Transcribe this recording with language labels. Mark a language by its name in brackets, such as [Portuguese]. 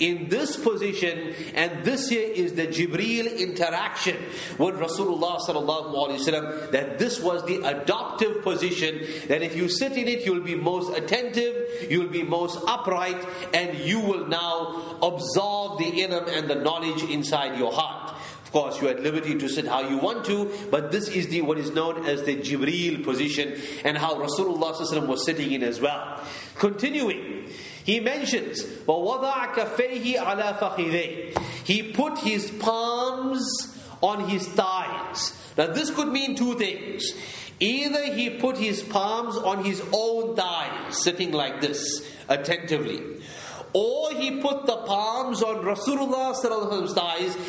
[English] in this position, and this here is the Jibreel interaction with Rasulullah sallallahu alaihi wasallam, that this was the adoptive position, that if you sit in it, you'll be most attentive, you'll be most upright, and you will now absorb the ilm and the knowledge inside your heart. Of course, you're at liberty to sit how you want to, but this is the what is known as the Jibreel position, and how Rasulullah was sitting in as well. Continuing, he mentions, [Arabic] وَوَضَعَكَ فَيْهِ عَلَى فَخِذَيْهِ. [English] He put his palms on his thighs. Now this could mean two things. Either he put his palms on his own thighs, sitting like this, attentively. Or he put the palms on Rasulullah's thighs.